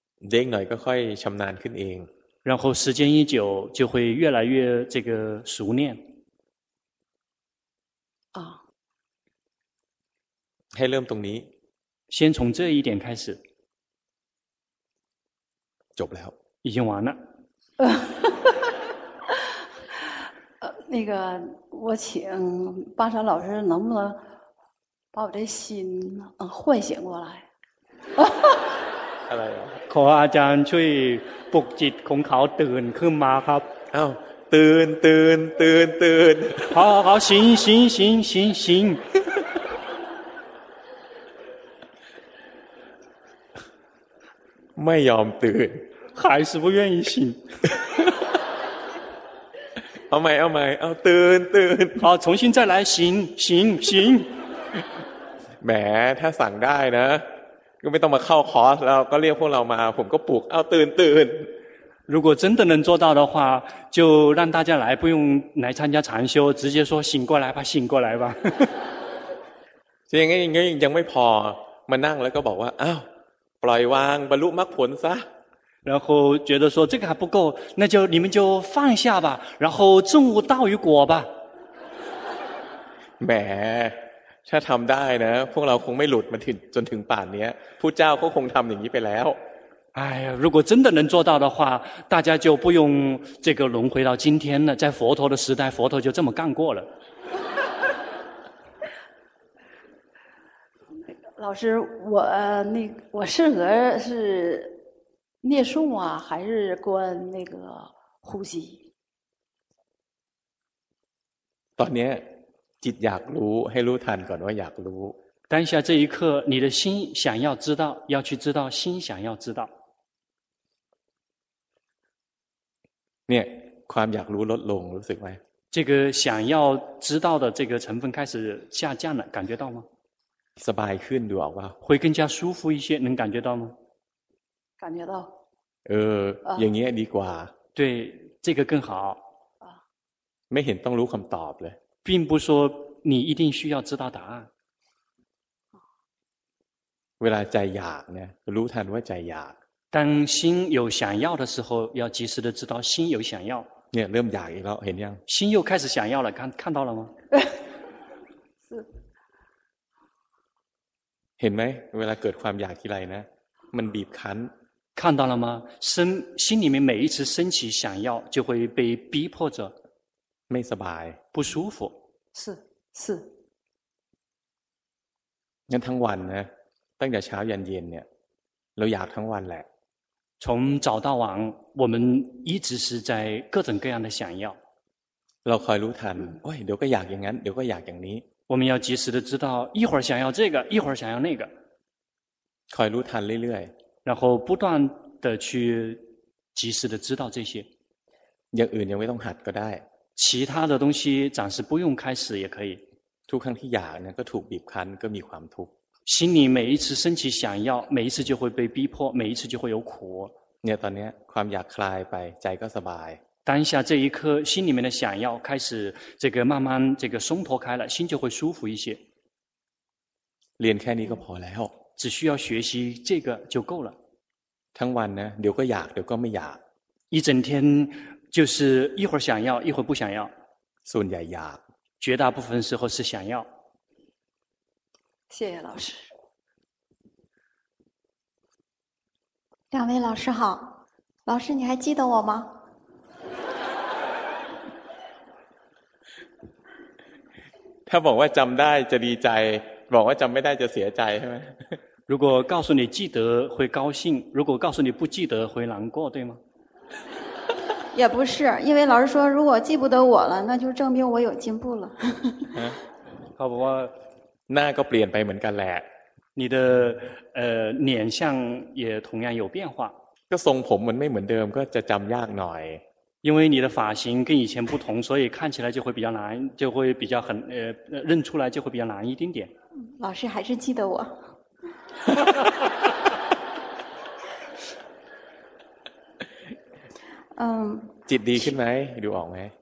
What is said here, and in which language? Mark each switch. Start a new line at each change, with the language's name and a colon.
Thai: เด็กหน่อยก็ค่อยชำนาญขึ้นเอง
Chinese: 然后时间一久就会越来越这个熟练啊
Thai: ให้เริ่มตรงนี้
Chinese: 先从这一点开始
Thai: จบแล้ว
Chinese: 已经完了那个我请巴山老师能不能把我这心唤醒过来
Thai: อะไร ขออาจารย์ช่วยปลุกจิตของเขาตื่นขึ้นมาครับ อ้าวตื่นตื่นตื่นตื่น เอาเอาชิงชิงชิงชิงชิง ไม่ยอมตื่น
Chinese: 还是不愿意醒
Thai: เอาใหม่เอาใหม่เอาตื่นตื่น
Chinese: เอา重新再来行行行
Thai: แหมถ้าสั่งได้นะก็ไม่ต้องมาเข้าคอร์สแล้วก็เรียกพวกเรามาผมก็ปลุกเอาตื่นตื่น
Chinese: 如果真的能做到的话就让大家来不用来参加禅修直接说醒过来吧醒过来吧
Thai: ยังไงยังไม่พอมานั่งแล้วก็บอกว่าอ้าวปล่อยวางบรรลุมรรคผลซะ
Chinese: 然后觉得说这个还不够那就你们就放下吧然后证悟道与果吧
Thai: แหมถ้าทำได้นะพวกเราคงไม่หลุดมาถึงจนถึงป่านนี้พุทธเจ้าก็คงทำอย่างนี้ไปแล้ว
Chinese: 哎呀如果真的能做到的话大家就不用这个轮回到今天了在佛陀的时代佛陀就这么干过了老师我那我适合是念诵啊还是观那个呼吸
Thai: ตอนนี้จิตอยากรู้ให้รู้ทันก่อนว่าอยากรู้
Chinese: 当下这一刻你的心想要知道要去知道心想要知道
Thai: เนี่ยความอยากรู้ลดลงรู้สึกไหม
Chinese: 这个想要知道的这个成分开始下降了，感觉到吗？
Thai: สบายขึ้นดูออกป่ะ
Chinese: 会更加舒服一些，能感觉到吗？感觉到。
Thai: อย่างเงี้ยดีกว่า。
Chinese: 对，这个更好。
Thai: ไม่เห็นต้องรู้คำตอบเลย。
Chinese: 并不说你一定需要知道答案。
Thai: เวลาใจอยากเนี่ยรู้ทันว่าใจอยาก。
Chinese: 当心有想要的时候，要及时的知道心有想要。
Thai: เนี่ยเริ่มอยากอีกแล้วเห็นยัง？
Chinese: 心又开始想要了，看到了吗？
Thai: เห็นไหมเวลาเกิดความอยากทีไรนะมันบีบคั้น
Chinese: 看到了吗心里面每一次升起想要就会被逼迫着
Thai: ไม่สบาย
Chinese: 不舒服是
Thai: งั้นทั้งวันนะตั้งแต่เช้ายันเย็นเนี่ยเราอยากทั้งวันแหละ
Chinese: 从早到晚我们一直是在各种各样的想要
Thai: เราคอยรู้ทันเดี๋ยวก็อยากอย่างนั้นเดี๋ยวก็อยากอย่างนี้
Chinese: 我们要及时的知道一会儿想要这个一会儿想要那个
Thai: คอยรู้ทันเรื่อย
Chinese: ๆ然后不断的去及时的知道这些
Thai: อย่างอื่นยังไม่ต้องหัดก็ได้
Chinese: 其他的东西暂时不用开始也可以
Thai: ทุกครั้งที่อยากเนี่ยก็ถูกบีบคั้นก็มีความทุกข์
Chinese: 心里每一次升起想要每一次就会被逼迫每一次就会有苦
Thai: เนี่ยตอนนี้ความอยากคลายไปใจก็สบาย
Chinese: 当下这一刻心里面的想要开始这个慢慢这个松脱开了心就会舒服一些
Thai: เรียนแค่นี้ก็พอแล้ว
Chinese: 只需要学习这个就够了
Thai: ทั้งวันนะเดี๋ยวก็อยากเดี๋ยวก็ไม่อยาก
Chinese: 一整天就是一会儿想要一会儿不想要
Thai: ส่วนใหญ่อยาก
Chinese: 绝大部分时候是想要谢谢老师两位老师好老师你还记得我吗
Thai: ถ้าบอกว่าจำได้จะดีใจบอกว่าจำไม่ได้จะเสียใจใช่ไหม
Chinese: 如果告诉你记得会高兴如果告诉你不记得会难过对吗也不是因为老师说如果记不得我了那就证明我有进步了好不好
Thai: หน้าก็เปลี่ยนไปเหมือนกันแหละ
Chinese: 你的脸相也同样有变化
Thai: ก็ทรงผมมันไม่เหมือนเดิมก็จะจำยากหน่อย
Chinese: 因为你的发型跟以前不同所以看起来就会比较难就会比较很认出来就会比较难一点点老师还是记得我
Thai: จิตดีขึ้นไหมดูออกไหม